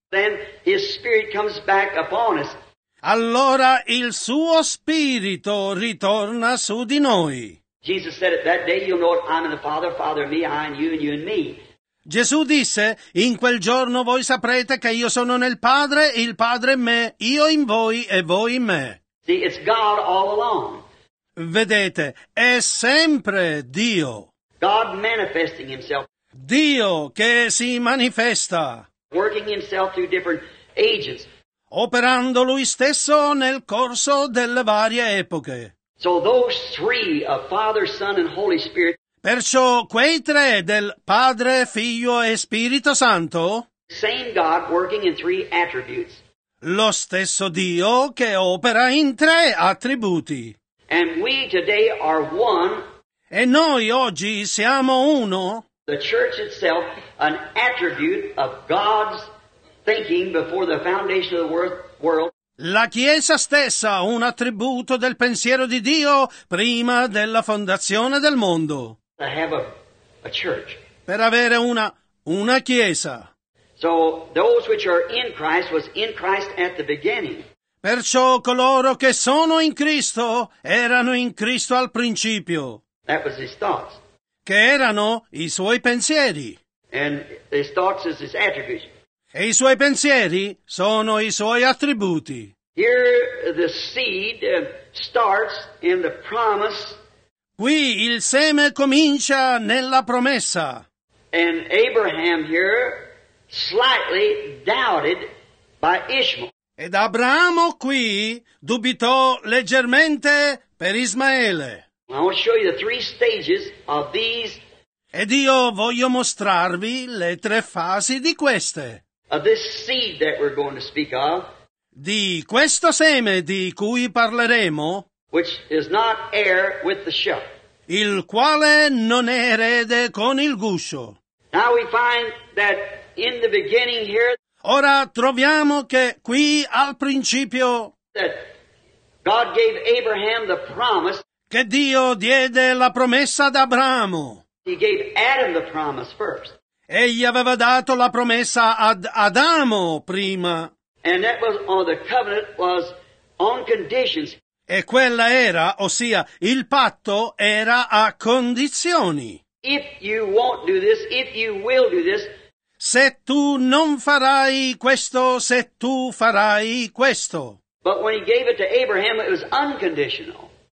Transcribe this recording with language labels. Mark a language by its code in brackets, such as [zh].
[en] then his spirit comes back upon us. [it] Allora il suo spirito ritorna su di noi. [en] Jesus said it that day, you'll know it, I'm in the Father, Father in me, I in you, and you in me. [it] Gesù disse, in quel giorno voi saprete che io sono nel Padre, il Padre in me, io in voi e voi in me. [en] See, it's God all along. [it] Vedete, è sempre Dio. [en] God manifesting himself. [it] Dio che si manifesta. [en] Working himself through different ages. [it] Operando lui stesso nel corso delle varie epoche. [en] So those three of Father, Son, and Holy Spirit. [it] Perciò quei tre del Padre, Figlio e Spirito Santo. [en] Same God working in three attributes. [it] Lo stesso Dio che opera in tre attributi. [en] And we today are one. [it] E noi oggi siamo uno. [en] The church itself, an attribute of God's thinking before the foundation of the world. [it] La Chiesa stessa, un attributo del pensiero di Dio prima della fondazione del mondo. [en] To have a church. [it] Per avere una Chiesa. [en] So those which are in Christ was in Christ at the beginning. [it] Perciò coloro che sono in Cristo erano in Cristo al principio. [en] That was his thoughts. [it] Che erano i suoi pensieri. [en] And his thoughts is his attributes. [it] E i suoi pensieri sono i suoi attributi. [en] Here the seed starts in the promise. [it] Qui il seme comincia nella promessa. [en] And Abraham here slightly doubted by Ishmael. [it] Ed Abramo qui dubitò leggermente per Ismaele. [en] I want to show you the three stages of these. [it] Ed io voglio mostrarvi le tre fasi di queste. [en] Of this seed that we're going to speak of. [it] Di questo seme di cui parleremo. [en] Which is not heir with the shell. [it] Il quale non è erede con il guscio. [en] Now we find that in the beginning here. [it] Ora troviamo che qui al principio. [en] That God gave Abraham the promise. [it] Che Dio diede la promessa ad Abramo. [en] He gave Adam the promise first. [it] Egli aveva dato la promessa ad Adamo prima. [en] And that was on the covenant was on conditions. [it] E quella era, ossia, il patto era a condizioni. [en] If you won't do this, if you will do this. [it] Se tu non farai questo, se tu farai questo. [en] But when he gave it to Abraham, it was unconditional.